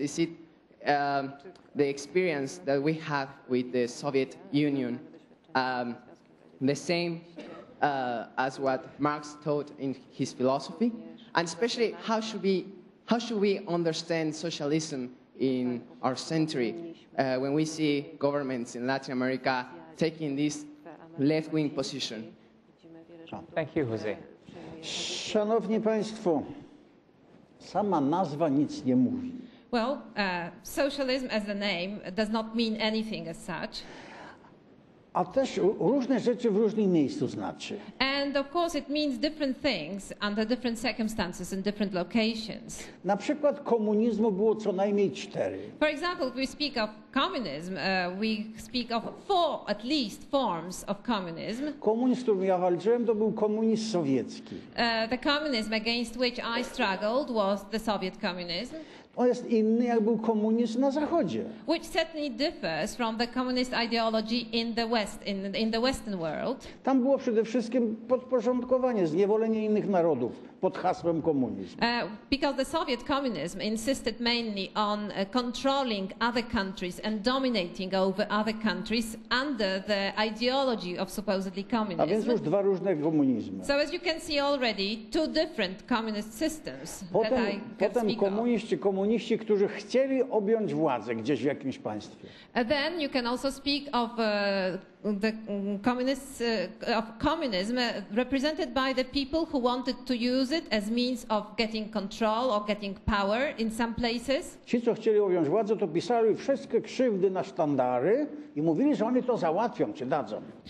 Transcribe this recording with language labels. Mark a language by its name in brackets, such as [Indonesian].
[English] Is it the experience that we have with the Soviet Union, the same as what Marx taught in his philosophy? And especially, how should we understand socialism in our century when we see governments in Latin America taking this left-wing position? Thank you, Jose. [Polish] Szanowni Państwo, sama nazwa nic nie mówi. [English] Well, socialism as a name does not mean anything as such. [Polish] A też różne rzeczy w różnym miejscu znaczy. [English] And of course it means different things under different circumstances in different locations. [Polish] Na przykład komunizmu było co najmniej cztery. [English] For example, if we speak of communism, we speak of four, at least, forms of communism. [Polish] Komunizm, z którym ja walczyłem, to był komunizm sowiecki. [English] The communism against which I struggled was the Soviet communism. [Polish] On jest inny, jak był komunizm na Zachodzie. [English] Which certainly differs from the communist ideology in the West, in the Western world. [Polish] Tam było przede wszystkim podporządkowanie, zniewolenie innych narodów pod hasłem komunizm. [English] Because the Soviet communism insisted mainly on controlling other countries and dominating over other countries under the ideology of supposedly communism. [Polish] A więc już dwa różne komunizmy. [English] So as you can see already, two different communist systems. [Polish] Potem, [English] that I can speak [Polish] komuniści, [English] of. [Polish] Komuniści, którzy chcieli objąć władzę gdzieś w jakimś państwie. [English] Then you can also speak of the communists of communism represented by the people who wanted to use it as means of getting control or getting power in some places. [Polish] Ci, co chcieli objąć władzę, to pisali wszystkie krzywdy na sztandary i mówili, że oni to załatwią, czy dadzą.